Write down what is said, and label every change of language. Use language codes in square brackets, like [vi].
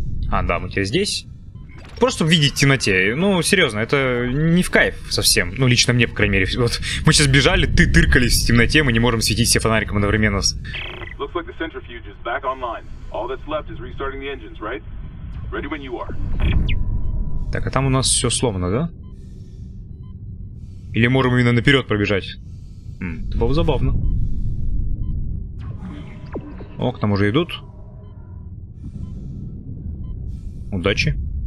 [ru] А, да, мы теперь здесь. Просто видеть в темноте. Ну, серьезно, это не в кайф совсем. Ну, лично мне, по крайней мере. Вот мы сейчас бежали, ты тыркались в темноте, мы не можем светить все фонариком одновременно. [en] Looks like the centrifuge is back online. All that's left is restarting the engines, right? Ready when you are. [ru] Так, а там у нас все сломано, да? Или можем именно наперед пробежать? Это было забавно. О, к нам уже идут. Удачи.